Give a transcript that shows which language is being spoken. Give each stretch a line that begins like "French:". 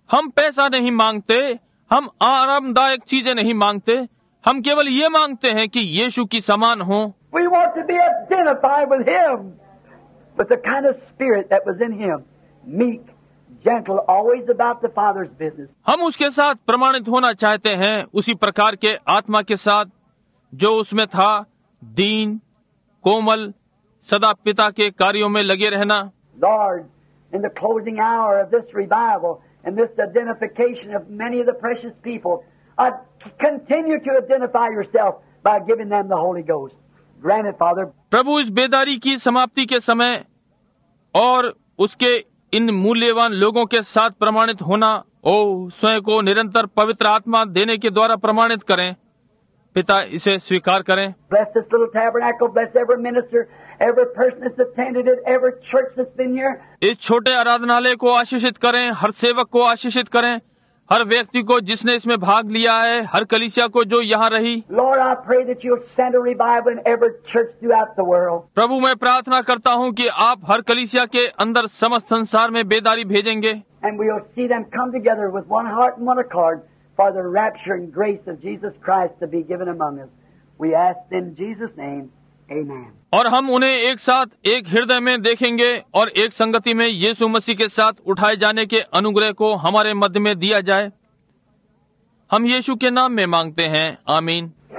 Hindi: हम पैसा नहीं मांगते, हम आरामदायक चीजें नहीं मांगते, हम केवल ये मांगते हैं कि यीशु की समान हो।
English: We want to be identified with him, with the kind of spirit that was in him, meek. Gentle, always about the Father's business.
Hindi: हम उसके साथ प्रमाणित होना चाहते हैं, उसी प्रकार के आत्मा के साथ जो उसमें था, दीन, कोमल, सदा पिता के कार्यों में लगे रहना।
English: Lord, in the closing hour of this revival and this identification of many of the precious people, I continue to identify yourself by giving them the Holy Ghost. Grant it, Father.
Hindi: प्रभु, इस बेदारी की समाप्ति के समय और उसके इन मूल्यवान लोगों के साथ प्रमाणित होना, ओ, स्वयं को निरंतर पवित्र आत्मा देने के द्वारा प्रमाणित करें। पिता, इसे स्वीकार करें।
English: Bless this little tabernacle, bless every minister, every person that's attended it, every church that's been here.
Hindi: इस छोटे आराधनालय को आशीषित करें, हर सेवक को आशीषित करें, हर व्यक्ति को जिसने इसमें भाग लिया है, हर कलीसिया को जो यहाँ रही।
English: Lord, I pray that you'll send a revival in every church throughout the world.
Hindi: प्रभु, मैं प्रार्थना करता हूँ कि आप हर कलीसिया के अंदर समस्त संसार में बेदारी भेजेंगे।
English: And we'll see them come together with one heart and one accord for the rapture and grace of Jesus Christ to be given among us. We ask in Jesus' name, Amen.
Hindi: और हम उन्हें एक साथ एक हृदय में देखेंगे और एक संगति में यीशु मसीह के साथ उठाए जाने के अनुग्रह को हमारे मध्य में दिया जाए। हम यीशु के नाम में मांगते हैं, आमीन।